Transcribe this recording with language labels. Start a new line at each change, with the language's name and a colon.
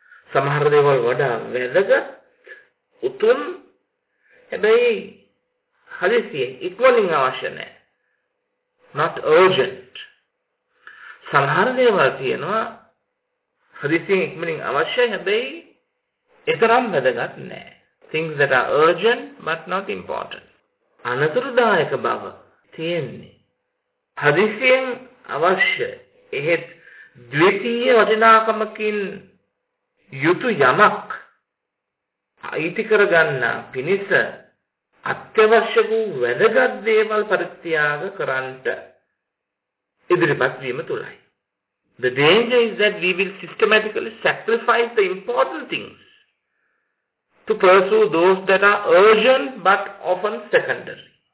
Sinhala: සමහර දේවල් වඩා වැදගත් උතුම් හැබැයි හදිසියෙන් ඉක්මනින් අවශ්‍ය නැහැ.
English: Not urgent.
Sinhala: සමහර දේවල් තියෙනවා හදිසියෙන් ඉක්මනින් අවශ්‍යයි හැබැයි එතරම් වැදගත් නැහැ.
English: Things that are urgent but not important.
Sinhala: අනතුරුදායක බව තියෙන්නේ හදිසියෙන් අවශ්‍ය එහෙත් ද්විතීය වටිනාකමකින් යුතු යමක් අයිති කරගන්න පිණිස අත්‍යවශ්‍ය වූ වැදගත් දේවල් පරිත්‍යාග කරන්නට ඉදිරිපත් වීම තුලයි.
English: The danger is that we will systematically sacrifice the important things to pursue those that are urgent but often secondary.